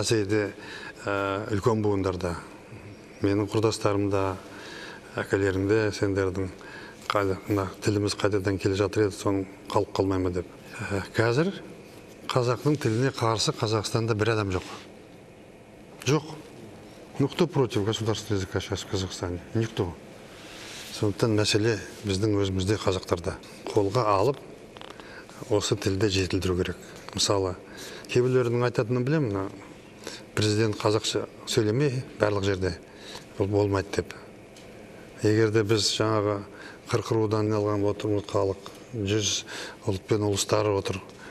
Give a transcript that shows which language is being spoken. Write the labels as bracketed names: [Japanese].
[Kazakh] Әсіресе үлкен буындарда, менің құрдастарымда, әкелерімде, сендердің тіліміз қайтадан келе жатыр еді, соның қалып қалмай ма деп. Қазір қазақтың тіліне қарсы Қазақстанда бір адам жоқ. [Russian] Кто против государственного языка сейчас в Казахстане? Никто. [Kazakh] Сондықтан мәселе біздің өзімізде қазақтарда. Қолға алып, осы тілді жетілдіру керек. Мысалы, кейбіреулердің айтатынын білемін, президент қазақша сөйлемей барлық жерде болмайды деп. Егерде біз жаңағы 40 рудан алған отырмыз халық, 100 ұлт пен ұлыстары отыр.